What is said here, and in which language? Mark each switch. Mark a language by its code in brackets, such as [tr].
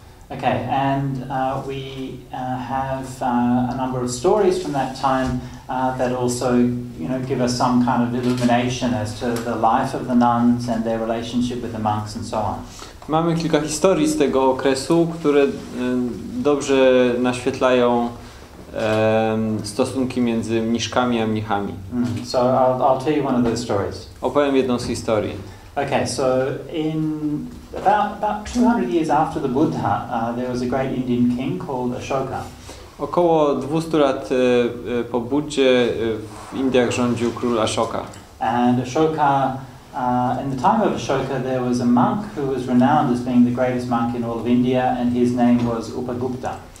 [en] Okay, and we have a number of stories from that time that also, you know, give us some kind of illumination as to the life of the nuns and their relationship with the monks and so on. [pl] Mamy kilka historii z tego okresu, które dobrze naświetlają stosunki między mniszkami a mnichami. [en] So I'll tell you one of those stories. [pl] Opowiem jedną z historii. [en] Okay, so in about 200 years after the Buddha, there was a great Indian king called Ashoka. [pl] Około 200 lat po Buddzie w Indiach rządził król Ashoka. [en] And Ashoka, in the time of Ashoka, there was a monk who was renowned as being the greatest monk in all of India, and his name was Upagupta.